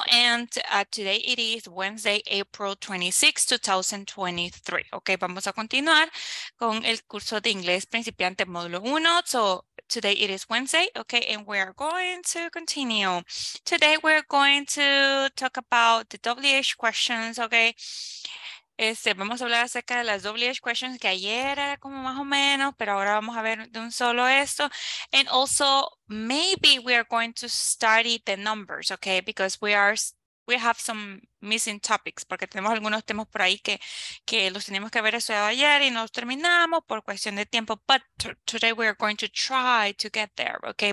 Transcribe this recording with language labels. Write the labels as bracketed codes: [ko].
[en] And today it is Wednesday, April 26, 2023. [es] Okay, vamos a continuar con el curso de Ingles Principiante Módulo 1. [en] So today it is Wednesday, okay, and we are going to continue. Today we're going to talk about the WH questions, okay. [es] Vamos a hablar acerca de las WH questions que ayer era como más o menos, pero ahora vamos a ver de un solo esto. [en] And also, maybe we are going to study the numbers, okay? Because we have some missing topics, [es] porque tenemos algunos temas por ahí que los teníamos que haber estudiado ayer y no los terminamos por cuestión de tiempo. [en] But today we are going to try to get there, okay?